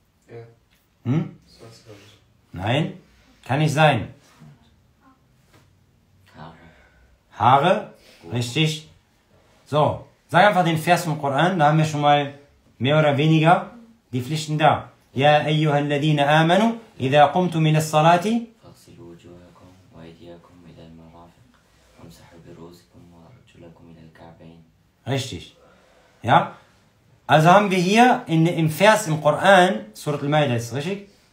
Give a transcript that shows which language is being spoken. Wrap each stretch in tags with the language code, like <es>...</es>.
<de>Ja. Nein, kann nicht sein. Haare. Haare, richtig. So, sag einfach den Vers vom Koran, da haben wir schon mal mehr oder weniger die Pflichten da.</de> <ar>يا أيها الذين آمنوا إذا قمتم إلى الصلاة فاغسلوا وجوهكم وأيديكم إلى المرافق وامسحوا برؤوسكم وأرجلكم إلى الكعبين.</ar> <de>Richtig. Ja? Also haben wir hier im Vers im Koran, Surat al-Ma'idah ist richtig?</de>